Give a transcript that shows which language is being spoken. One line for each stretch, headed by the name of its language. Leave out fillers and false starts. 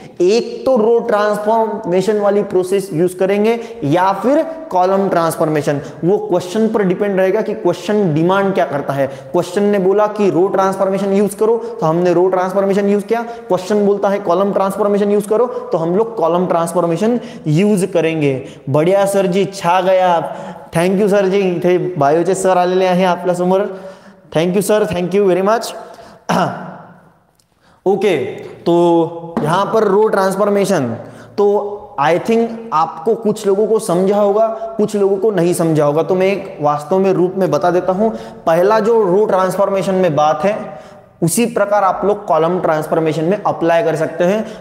Hindi: एक तो रो ट्रांसफॉर्मेशन वाली प्रोसेस यूज करेंगे या फिर कॉलम ट्रांसफॉर्मेशन. वो क्वेश्चन पर डिपेंड रहेगा कि क्वेश्चन डिमांड क्या करता है. क्वेश्चन ने बोला कि रो ट्रांसफॉर्मेशन यूज करो तो हमने रो ट्रांसफॉर्मेशन यूज किया. क्वेश्चन बोलता है कॉलम ट्रांसफॉर्मेशन यूज करो तो हम लोग कॉलम ट्रांसफॉर्मेशन यूज करेंगे. बढ़िया सर जी, छा गया.
Marathi: थैंक यू सर जी, इथे बायोचे सर आलेले आहे आपल्या समोर.
English: Thank you sir, thank you very much.
Hindi: Okay तो यहाँ पर रो ट्रांसफॉर्मेशन, तो आई थिंक आपको कुछ लोगों को समझा होगा कुछ लोगों को नहीं समझा होगा, तो मैं एक वास्तव में रूप में बता देता हूँ. पहला जो रो ट्रांसफॉर्मेशन में बात है उसी प्रकार आप लोग कॉलम ट्रांसफॉर्मेशन में अप्लाई कर सकते हैं.